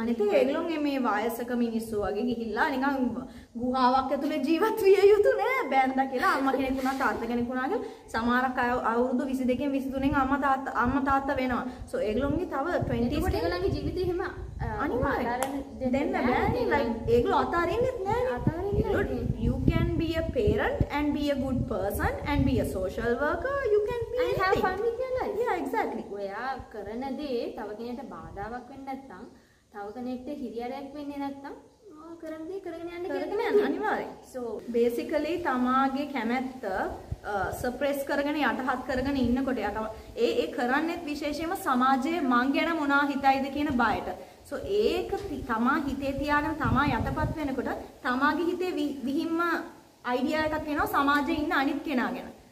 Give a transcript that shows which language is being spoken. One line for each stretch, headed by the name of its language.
Sinhala: අනිත් ඒගොල්ලෝ මේ වයසක මිනිස්සු වගේ ගිහිල්ලා නිකන් ගුහාවක් ඇතුලේ ජීවත් විය යුතු නෑ බෑන්දා කියලා අම්මා කෙනෙක් වුණා තාත්තා කෙනෙක් වුණා කියලා සමහරක් අවුරුදු 22න් 23න් අම්මා තාත්තා වෙනවා සෝ ඒගොල්ලෝගේ තව 20s ට ඒගොල්ලන්ගේ ජීවිතේ එහෙම අනිවාර්යෙන් දෙන්න බෑනේ like ඒගොල්ලෝ අතාරින්නෙත් නෑනේ අතාරින්නෙ
English: you can be a parent and be a good person and be a social worker you can be and have fun with your life yeah exactly
Sinhala: ඔයා කරන දේ තව කෙනෙක්ට බාධාවක් වෙන්නේ නැත්නම් තව කෙනෙක්ට හිරියරයක් වෙන්නේ නැත්නම් ඔයා කරන දේ කරගෙන යන්න කියලා තමයි අනිවාර්යෙන් so basically තමාගේ කැමැත්ත සප්‍රෙස් කරගෙන යටහත් කරගෙන ඉන්නකොට යට ඒ කරන්නේත් විශේෂයෙන්ම සමාජයේ මං ගැන මොනා හිතයිද කියන බයට සෝ ඒක තමා හිතේ තියාගෙන තමා යටපත් වෙනකොට තමාගේ හිතේ විහිම්ම අයිඩියා එකක් එනවා සමාජයේ ඉන්න අනිත් කෙනා ගැන.